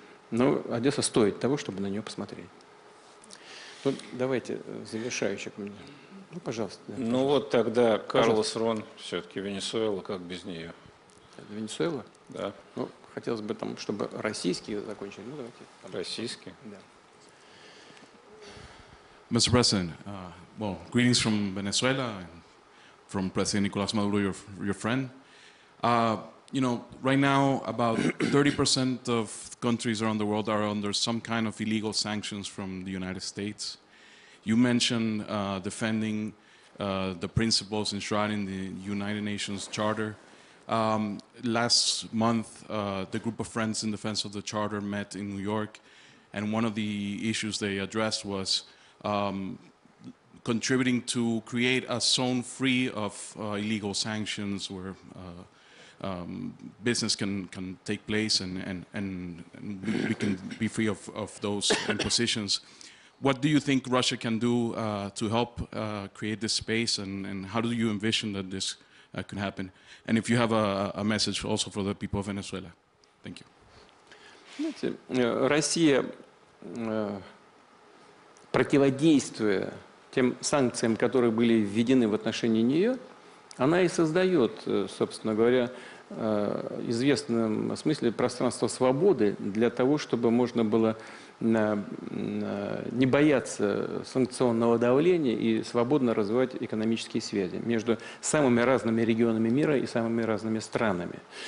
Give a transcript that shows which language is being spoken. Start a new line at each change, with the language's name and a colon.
Russian: Но Одесса стоит того, чтобы на нее посмотреть. Ну, давайте завершающий ко мне. Ну, пожалуйста. Да, ну вот тогда Карлос Рон, все-таки Венесуэла, как без нее? Венесуэла? Да. Ну, хотелось бы там, чтобы российские закончили. Ну, давайте. Российские? Да.
English: Mr. President, well, greetings from Venezuela, and from President Nicolas Maduro, your friend. You know, right now about 30% of countries around the world are under some kind of illegal sanctions from the United States. You mentioned defending the principles enshrined in the United Nations Charter. Last month, the Group of Friends in Defense of the Charter met in New York, and one of the issues they addressed was contributing to create a zone free of illegal sanctions where business can take place and we can be free of those impositions. What do you think Russia can do to help create this space, and how do you envision that this can happen? And if you have a message also for the people of Venezuela. Thank you.
Russian: Russia, противодействуя тем санкциям, которые были введены в отношении нее, она и создает, собственно говоря, в известном смысле пространство свободы для того, чтобы можно было не бояться санкционного давления и свободно развивать экономические связи между самыми разными регионами мира и самыми разными странами.